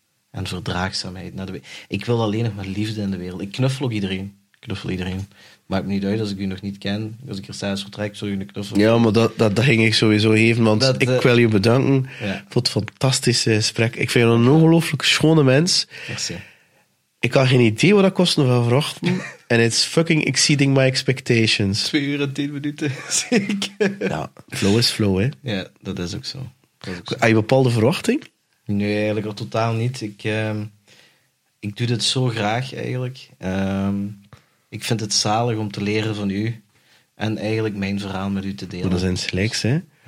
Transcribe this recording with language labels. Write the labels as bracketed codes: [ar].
[nl] En verdraagzaamheid. Ik wil alleen nog maar liefde in de wereld. Ik knuffel ook iedereen. Maakt me niet uit als ik u nog niet ken. Als ik er thuis vertrek, zou je een knuffel. Ja, maar dat ging ik sowieso even. Want ik wil je bedanken voor het fantastische gesprek. Ik vind je een ongelooflijk schone mens. Merci. Ik had geen idee wat dat kostte van verwachten. [en] En it's fucking exceeding my expectations. [nl] 2 uur en 10 minuten, zeker. Ja, flow is flow, hè. Ja, dat is ook zo. Heb je bepaalde verwachting? Nee, eigenlijk al totaal niet. Ik doe dit zo graag, eigenlijk. Ik vind het zalig om te leren van u. En eigenlijk mijn verhaal met u te delen. Dat zijn slechts, hè.